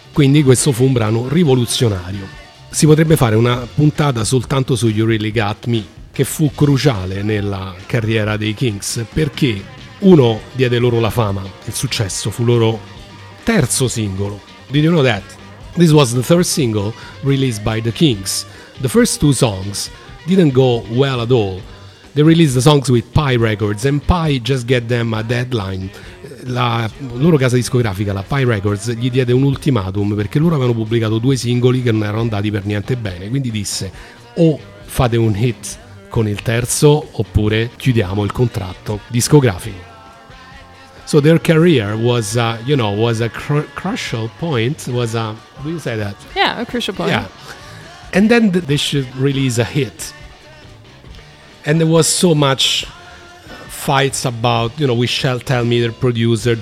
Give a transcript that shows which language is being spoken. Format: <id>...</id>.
<it>Quindi questo fu un brano rivoluzionario. Si potrebbe fare una puntata soltanto su You Really Got Me, che fu cruciale nella carriera dei Kinks, perché uno diede loro la fama, il successo, fu loro terzo singolo.</it> <en>Did you know that? This was the third single released by the Kinks. The first two songs didn't go well at all. They released the songs with Pi Records, and Pi just get them a deadline.</en> <it>La loro casa discografica, la Pi Records, gli diede un ultimatum, perché loro avevano pubblicato due singoli che non erano andati per niente bene. Quindi disse: o fate un hit con il terzo, oppure chiudiamo il contratto discografico.</it> <en>So their career was, you know, was a crucial point. Was a, do you say that? Yeah, a crucial point. Yeah, and then they should release a hit. And there was so much fights about, you know, we shall tell me their producer.</en>